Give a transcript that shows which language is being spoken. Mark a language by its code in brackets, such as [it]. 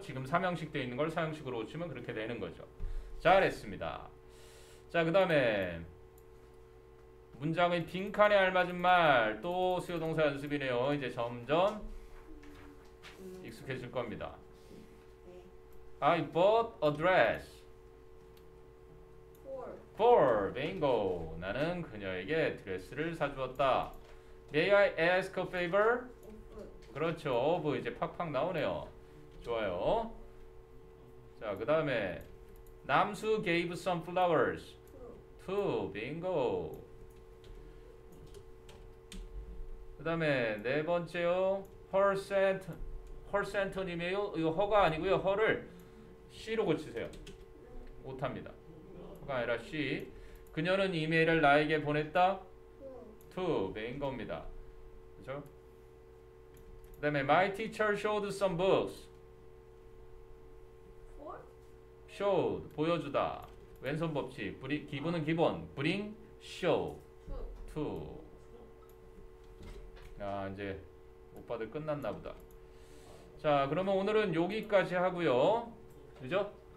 [ko] 지금 삼형식 되어 있는 걸 사형식으로 고치면 그렇게 되는 거죠. 잘했습니다. 자, 그 다음에 문장의 빈칸에 알맞은 말. 또 수요동사 연습이네요. 이제 점점 익숙해질 겁니다. [en] I bought a dress for Bingo. [ko] 나는 그녀에게 드레스를 사주었다. [en] May I ask a favor? Of. [ko] 그렇죠. Of 이제 팍팍 나오네요. 좋아요. 자, 그 다음에 남수 [en] gave some flowers. To. To. Bingo. [ko] 그 다음에 네 번째요. Her sent. Her sent 님이에요. 이거 허가 아니고요. 허를 she로 고치세요. 못합니다. 허가 아니라 she. 그녀는 이메일을 나에게 보냈다. [en] To. [ko] To. Bingo입니다. 그렇죠? 그 다음에 [en] My teacher showed some books. [ko] Showed 보여주다. 왼손 법칙. 기본은 기본. Bring, show, to. 아 이제 오빠들 끝났나 보다. 자 그러면 오늘은 여기까지 하고요. 그죠?